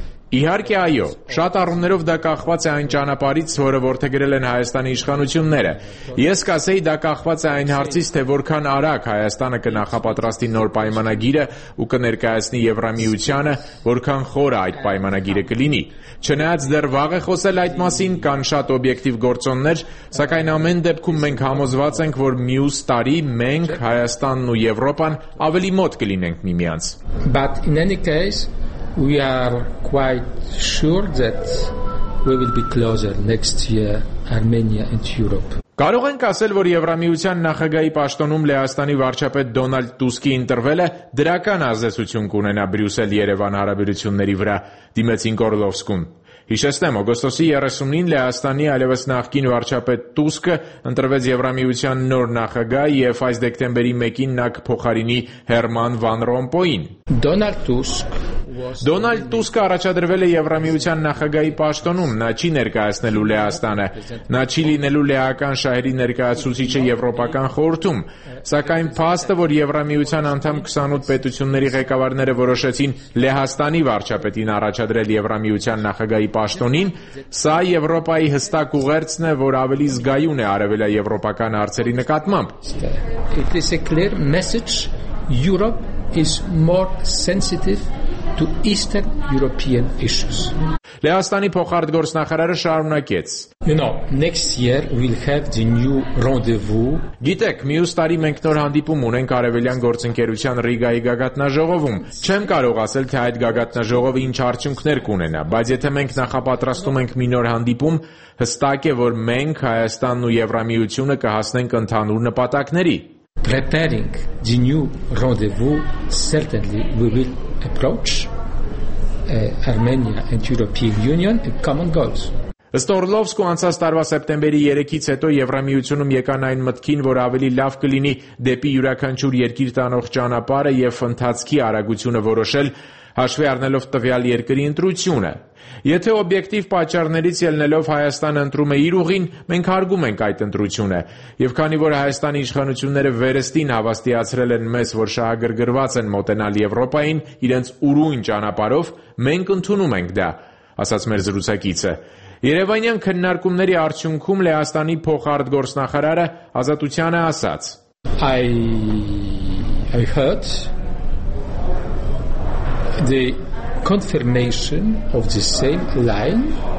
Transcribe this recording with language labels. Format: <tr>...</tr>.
<hy>Իհարկե այո, շատ առումներով դա կախված է այն ճանապարից, որը որդեգրել են Հայաստանի իշխանությունները։ Ես կասեի, դա կախված է այն հարցից, թե որքան արագ Հայաստանը կնախապատրաստի նոր պայմանագիրը ու կներկայացնի Եվրամիությանը, որքան խոր այդ պայմանագիրը կլինի։ Չնայած դեռ վաղ է խոսել այդ մասին, կան շատ օբյեկտիվ գործոններ, սակայն ամեն դեպքում մենք համոզված ենք, որ մյուս տարի մենք, Հայաստանն ու Եվրոպան, ավելի մոտ կլինենք միմյանց։</hy> <en>But in any case, we are quite sure that we will be closer next year, Armenia and Europe.</en> <hy>Կարող ենք ասել, որ Եվրամիության նախագահի պաշտոնում Լեհաստանի վարչապետ Դոնալդ Տուսկի ինտերվելը դրական ազդեցություն կունենա Բրյուսել-Երևան հարաբերությունների վրա, դիմեցին Կորլովսկուն։ Հիշեցնեմ, օգոստոսի 30-ին Լեհաստանի այլևս նախկին վարչապետ Տուսկը ընտրվեց Եվրամիության նոր նախագահ և այս դեկտեմբերի 1-ին նա կփոխարինի Հերման վան Ռոմպոյին։ Դոնալդ Տուսկը առաջադրվել է Եվրամիության նախագահի պաշտոնում, նա չի ներկայացնելու Լեհաստանը, նա չի լինելու լեհական շահերի ներկայացուցիչը Եվրոպական խորհրդում, սակայն փաստը, որ Եվրամիության անդամ 28 պետությունների ղեկավարները որոշեցին Լեհաստանի վարչապետին առաջադրել Եվրամիության նախագահի պաշտոնին, սա Եվրոպայի հստակ ուղերձն է, որ ավելի զգայուն է արևելաեվրոպական հարցերի նկատմամբ։</hy> <en>It is a clear message. Europe is more sensitive to Eastern European issues.</en> <hy>Լեհաստանի փոխարտգործնախարարը շարունակեց.</hy> <en>You know, next year we'll have the new rendezvous.</en> <hy>Գիտեք, մյուս տարի մենք նոր հանդիպում ունենք արևելյան գործընկերության Ռիգայի գագաթնաժողովում։ Չեմ կարող ասել, թե այդ գագաթնաժողովը ինչ արդյունքներ կունենա, բայց եթե մենք նախապատրաստում ենք մի նոր հանդիպում, հստակ է, որ մենք, Հայաստանն ու Եվրամիությունը կհասնենք ընդհանուր նպատակների։</hy> <en>Preparing the new rendezvous, certainly we will approach Armenia and European Union and common goals.</en> <hy>Ըստ Օրլովսկու, անցած տարվա սեպտեմբերի 3-ից հետո Եվրամիությունում եկան այն մտքին, որ ավելի լավ կլինի դեպի յուրաքանչյուր երկիր տանող ճանապարհը և ընթացքի արագությունը որոշել, հաշվի առնելով տվյալ երկրի ընտրությունը։ Եթե օբյեկտիվ պատճառներից ելնելով Հայաստանը ընտրում է իր ուղին, մենք հարգում ենք այդ ընտրությունը, և քանի որ Հայաստանի իշխանությունները վերստին հավաստիացրել են մեզ, որ շահագրգռված են մոտենալ Եվրոպային իրենց ուրույն ճանապարհով, մենք ընդունում ենք դա, ասաց մեր զրուցակիցը։ Երևանյան քննարկումների արդյունքում Լեհաստանի փոխարտգործնախարարը Ազատությանը ասաց.</hy> <en>I heard the confirmation of the same line.</en>